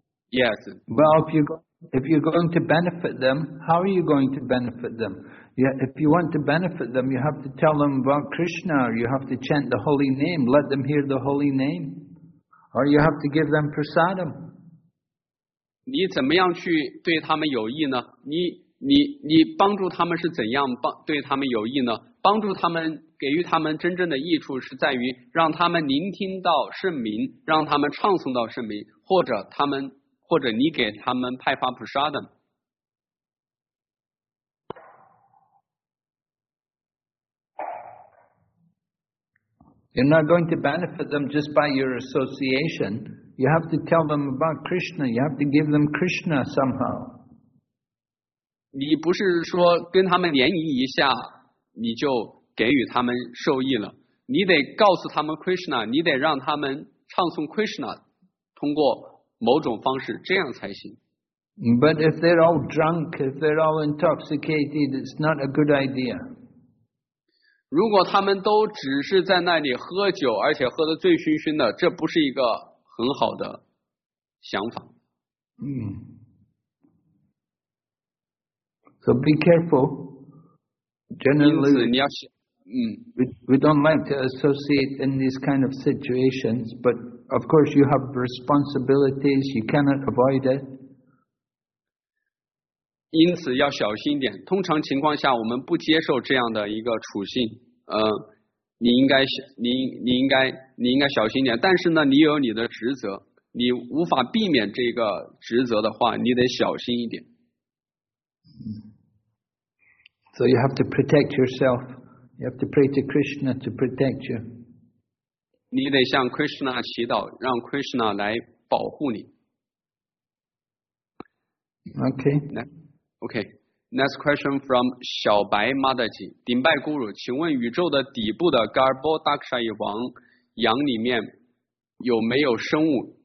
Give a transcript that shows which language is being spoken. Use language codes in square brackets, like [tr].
[en] Yes. Well, if you're going to benefit them, how are you going to benefit them? If you want to benefit them, you have to tell them about Krishna, or you have to chant the holy name, let them hear the holy name, or you have to give them prasadam. [zh] 你怎么样去对他们有益呢？你帮助他们是怎样对他们有益呢？帮助他们给予他们真正的益处是在于让他们聆听到圣名，让他们唱诵到圣名，或者你给他们派发普沙的。 [en] You're not going to benefit them just by your association. You have to tell them about Krishna. You have to give them Krishna somehow. [zh] 你不是说跟他们联谊一下，你就给予他们受益了。你得告诉他们 Krishna， 你得让他们唱诵 Krishna， 通过某种方式，这样才行。 [en] But if they're all drunk, if they're all intoxicated, it's not a good idea. [zh] 如果他们都只是在那里喝酒，而且喝得醉醺醺的，这不是一个很好的想法。嗯。 [en] So be careful. Generally, [zh] 因此你要想， [en] we don't like to associate in these kind of situations, but of course you have responsibilities, you cannot avoid it. [zh] 因此要小心一点，通常情况下我们不接受这样的一个处境，你应该小心一点，但是呢你有你的职责，你无法避免这个职责的话，你得小心一点。 [en] So you have to protect yourself. You have to pray to Krishna to protect you. [zh] 你得向 Krishna 祈祷，让 Krishna 来保护你。 [en] Okay. [zh] 来 [en] OK, next question from [zh] 小白 Madhaji, 顶拜 Guru, 请问宇宙的底部的 Garbo Dakshayi 王羊里面有没有生物？